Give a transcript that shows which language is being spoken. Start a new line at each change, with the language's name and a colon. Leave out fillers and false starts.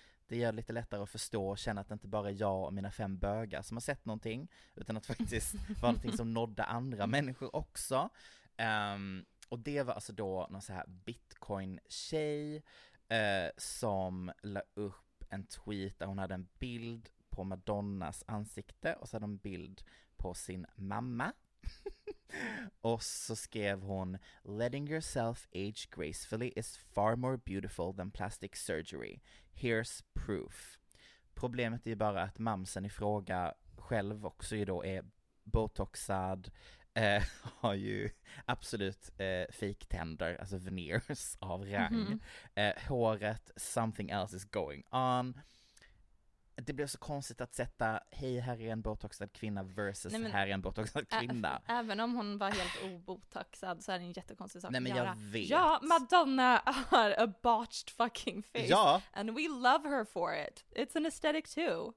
Swedish: Det gör det lite lättare att förstå och känna att det inte bara är jag och mina fem bögar som har sett någonting, utan att faktiskt var någonting som nådde andra människor också. Och det var alltså då någon så här bitcoin-tjej som la upp en tweet där hon hade en bild på Madonnas ansikte och så hade en bild på sin mamma. Och så skrev hon,
English: letting yourself age gracefully is far more beautiful than plastic surgery. Here's proof.
Swedish: Problemet är ju bara att mamsen i fråga själv också ju då är botoxad, har ju absolut fake tänder, alltså veneers av rang. Håret,
English: something else is going on.
Swedish: Det blev så konstigt att sätta hej, här är en botoxad kvinna versus nej, men, här är en botoxad kvinna. Även om hon var helt obotoxad så är det en jättekonstig sak nej, men att göra. Jag vet. Ja, Madonna har
English: a botched fucking face.
Swedish: Ja.
English: And we love her for it. It's an aesthetic too.